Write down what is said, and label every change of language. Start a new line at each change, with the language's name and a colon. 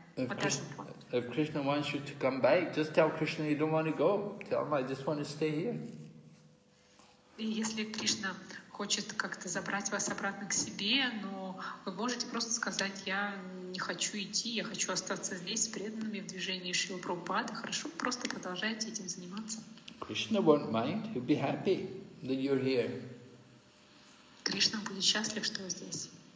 English: If Krishna wants you to come back, just tell Krishna you don't want to go. Tell him I just want to stay here.
Russian: И если Кришна хочет как-то забрать вас обратно к себе, но вы можете просто сказать, я не хочу идти, я хочу остаться здесь с преданными в движении Шрилы Прабхупады, хорошо, просто продолжайте этим заниматься.
English: Krishna won't mind, he'll be happy that you're here.
Russian: Кришна будет счастлив, что вы здесь.